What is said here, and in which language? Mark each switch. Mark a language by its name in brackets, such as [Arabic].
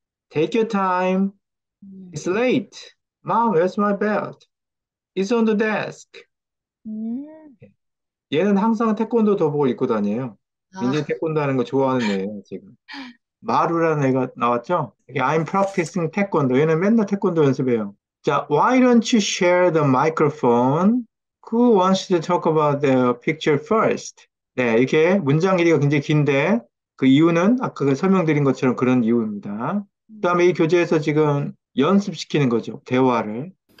[English] Take your time. It's late. Mom, where's my belt? It's on the desk. [Korean] 얘는 항상 태권도 도복을 입고 다녀요. 민재 태권도 하는 거 좋아하는 애예요, 지금. 마루라는 애가 나왔죠? [English] I'm practicing [Korean] 태권도. 얘는 맨날 태권도 연습해요. [English] 자, why don't you share the microphone? Who wants to talk about their picture first? [Korean] 네, 이렇게 문장 길이가 굉장히 긴데 그 이유는 아까 설명드린 것처럼 그런 이유입니다. 그다음에 이 교재에서 지금 연습시키는 거죠, 대화를.